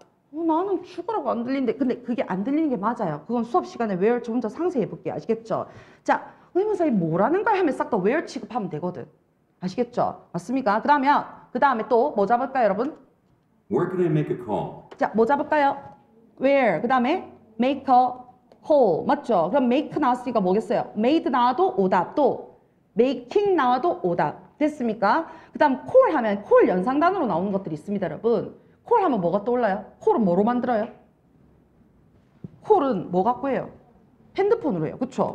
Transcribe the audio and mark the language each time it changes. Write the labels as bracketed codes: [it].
[ko] 나는 죽으라고 안 들리는데 근데 그게 안 들리는 게 맞아요. 그건 수업 시간에 where 좀 더 상세히 해볼게요. 아시겠죠? 자, 의문사에 뭐라는 걸 하면 싹 더 where 취급하면 되거든. 아시겠죠? 맞습니까? 그러면 그 다음에 또 뭐 잡을까요, 여러분? [en] Where can I make a call? [ko] 자, 뭐 잡을까요? [en] Where, 그 다음에 make a call. [ko] 맞죠? 그럼 make 나왔으니까 뭐겠어요? made 나와도 오답, 또 making 나와도 오답. 됐습니까? 그 다음 call 하면 call 연상단으로 나오는 것들이 있습니다, 여러분. 콜 하면 뭐가 떠올라요? 콜은 뭐로 만들어요? 콜은 뭐 갖고 해요? 핸드폰으로 해요. 그렇죠?